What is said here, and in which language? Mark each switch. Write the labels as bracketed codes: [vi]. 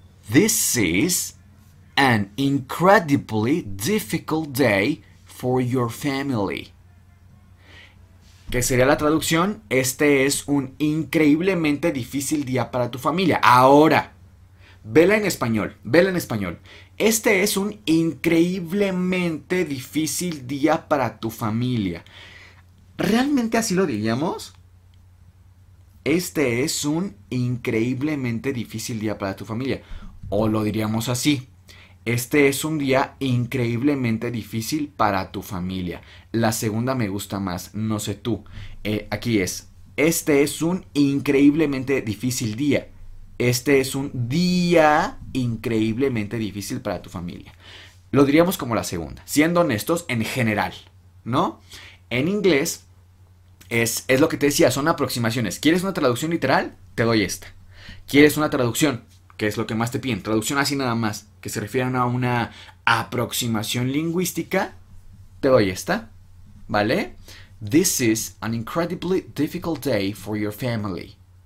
[en] This is an incredibly difficult day for your family. [es] Que sería la traducción, este es un increíblemente difícil día para tu familia. Ahora, vela en español, vela en español. Este es un increíblemente difícil día para tu familia. ¿Realmente así lo diríamos? Este es un increíblemente difícil día para tu familia. O lo diríamos así. Este es un día increíblemente difícil para tu familia. La segunda me gusta más, no sé tú. Aquí es. Este es un increíblemente difícil día. Este es un día increíblemente difícil para tu familia. Lo diríamos como la segunda, siendo honestos en general, ¿no? En inglés. Es lo que te decía, son aproximaciones. ¿Quieres una traducción literal? Te doy esta. ¿Quieres una traducción? ¿Qué es lo que más te piden? Traducción así nada más, que se refieran a una aproximación lingüística. Te doy esta, ¿vale? [en] This is an incredibly difficult day for your family.